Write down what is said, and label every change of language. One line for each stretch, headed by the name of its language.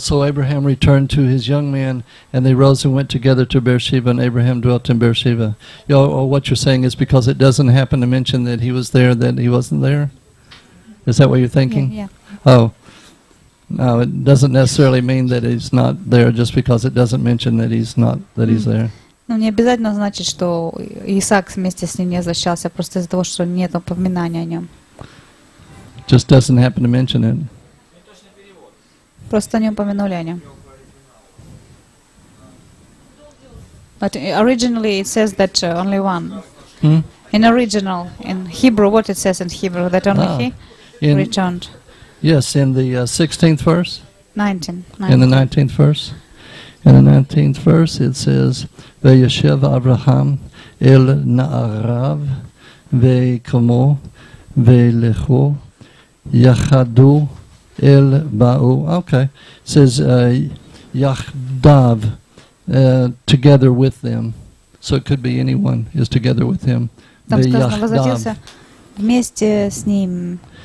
English: So Abraham returned to his young men, and they rose and went together to Beersheba, and Abraham dwelt in Beersheba. What you're saying is because it doesn't happen to mention that he was there, that he wasn't there? Is that what you're thinking? Yeah. Oh. No, it doesn't necessarily mean that he's not there just because it doesn't mention that he's not that he's there.
Russian: Ну, не обязательно значит, что Исаак вместе с ним не возвращался, просто из-за того, что нет упоминания о нем.
English: just doesn't happen to mention it.
Russian: Просто не упомянули о нем.
English: But originally it says that only one. Hmm? In original, in Hebrew, what it says in Hebrew, that only he in, returned. Yes, in the 16th verse. 19. In the 19th verse. In the 19th verse it says,
Hebrew: Ve'yeshev Abraham el na'arav ve'komo ve'lecho yachadu el ba'u.
English: Okay, it says, yachdav. Together with them, so it could be anyone is together with him.
Russian: Там сказано, возвратился вместе с ним.